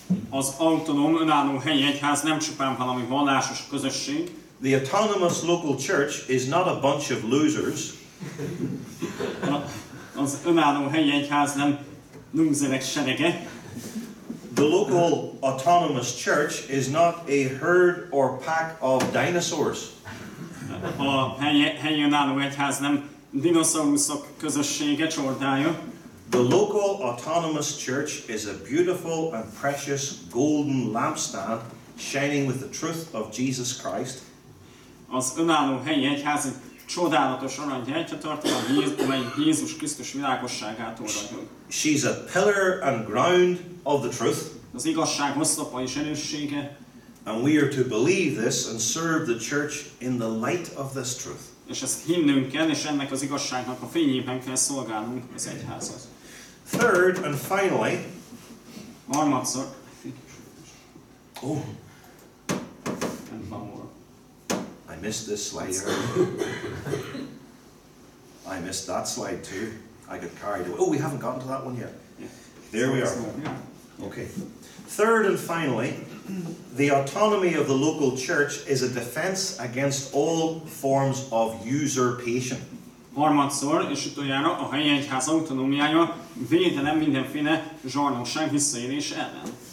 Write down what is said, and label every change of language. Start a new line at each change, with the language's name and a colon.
Hungarian: Az autonóm önálló helyi egyház nem csupán valami vallásos közösség.
English: The autonomous local church is not a bunch of losers.
Hungarian: Az önálló helyi egyház nem lúzerek serege.
English: The local autonomous church is not a herd or pack of dinosaurs.
Hungarian: A helyi önálló egyház nem dinoszauruszok közössége, csordája.
English: The local autonomous church is a beautiful and precious golden lampstand shining with the truth of Jesus Christ.
Hungarian: Az önálló helyi egyház csodálatos arany gyertyatartó, amely Jézus Krisztus világosságától ragyog.
English: She's a pillar and ground of the truth.
Hungarian: Az igazság oszlopa és erőssége.
English: And we are to believe this and serve the church in the light of this truth.
Hungarian: És ezt hinnünk kell, és ennek az igazságnak a fényében kell szolgálnunk az egyházat.
English: Third and finally.
Hungarian: Harmadszor.
English: Oh. And one more. I missed this slide earlier. I missed that slide too. I got carried away. Oh, we haven't gotten to that one yet. Yeah. There we are. Okay. Third and finally, the autonomy of the local church is a defense against all forms of usurpation.
Hungarian: Harmadszor és utoljára a helyi egyház autonómiája védelem mindenféle zsarnokság visszaélés ellen.